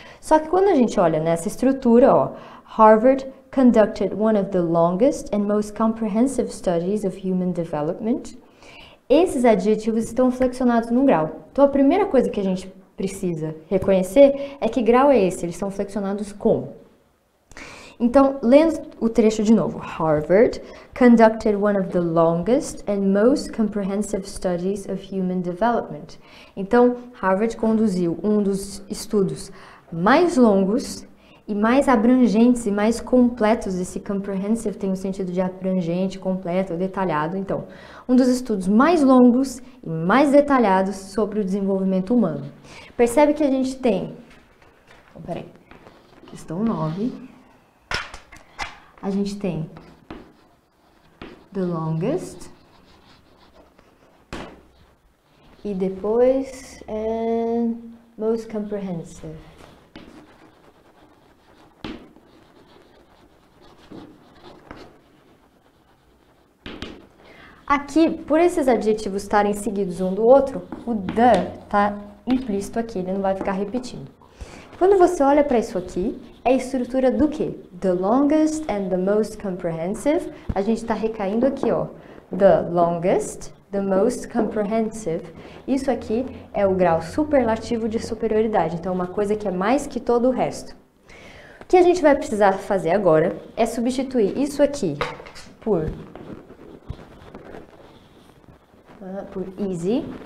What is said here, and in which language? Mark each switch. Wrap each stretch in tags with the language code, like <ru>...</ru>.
<pt>Só que quando a gente olha nessa estrutura, ó,</pt> <en>Harvard conducted one of the longest and most comprehensive studies of human development.</en> <pt>Esses adjetivos estão flexionados num grau. Então a primeira coisa que a gente precisa reconhecer é que grau é esse, eles estão flexionados como? Então, lendo o trecho de novo,</pt> <en>Harvard conducted one of the longest and most comprehensive studies of human development.</en> <pt>Então, Harvard conduziu um dos estudos mais longos e mais abrangentes e mais completos. Esse comprehensive tem o sentido de abrangente, completo, detalhado. Então, um dos estudos mais longos e mais detalhados sobre o desenvolvimento humano. Percebe que a gente tem. Peraí. Questão 9. A gente tem</pt> <en>the longest.</en> <pt>E depois, most comprehensive. Aqui, por esses adjetivos estarem seguidos um do outro, o the está implícito aqui, ele não vai ficar repetindo. Quando você olha para isso aqui, é a estrutura do quê?</pt> <en>The longest and the most comprehensive.</en> <pt>A gente está recaindo aqui, ó.</pt> <en>The longest, the most comprehensive.</en> <pt>Isso aqui é o grau superlativo de superioridade. Então, uma coisa que é mais que todo o resto. O que a gente vai precisar fazer agora é substituir isso aqui por. Por easy.</pt>